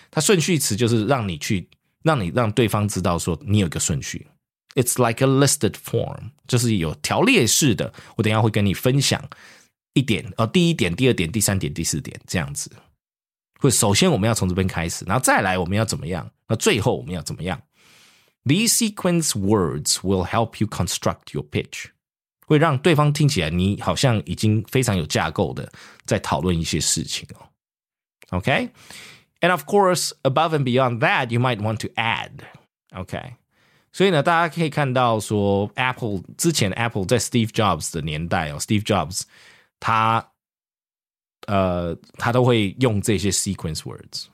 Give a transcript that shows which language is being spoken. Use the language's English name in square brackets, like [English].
[Chinese] 它顺序词就是让对方知道说你有一个顺序。 [English] It's like a listed form, [Chinese] 就是有条列式的。我等一下会跟你分享一点，第一点、第二点、第三点、第四点这样子。或者首先我们要从这边开始，然后再来我们要怎么样，那最后我们要怎么样。 [English] These sequence words will help you construct your pitch. [Chinese] 会让对方听起来你好像已经非常有架构的在讨论一些事情哦。 [English] Okay? And of course, above and beyond that, you might want to add. [Chinese] Okay? 所以呢大家可以看到说 Apple, 之前 Apple 在 Steve Jobs 的年代哦 Steve Jobs, 他都会用这些 sequence words.